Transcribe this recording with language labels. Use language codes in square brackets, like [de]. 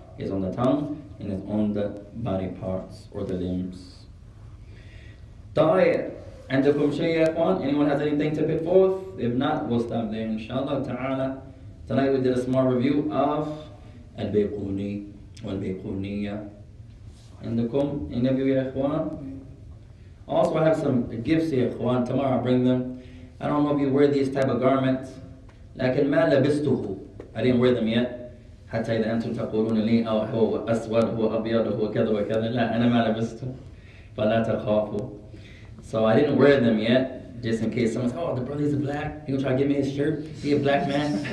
[en] is on the tongue and is on the body parts or the limbs. [ar] طيب عندكم شيء يا اخوان? [en] Anyone has anything to put forth? If not, we'll stop there inshallah ta'ala. Tonight we did a small review of al-Bayquni wal-Bayquniyyah. [ar] عندكم interview يا اخوان? [en] Also, I have some gifts here, اخوان. Tomorrow I'll bring them. I don't know if you wear these type of garments. [ar] لكن ما لبسته. [en] I didn't wear them yet. [ar] حتى إذا أنتم تقولون لي أو هو أسود هو أبيض هو كذا وكذا لا أنا ما لبسته فلا تخافوا. [en] So I didn't wear them yet, just in case someone says, oh, the brother is black. He gonna try to give me his shirt. He a black man.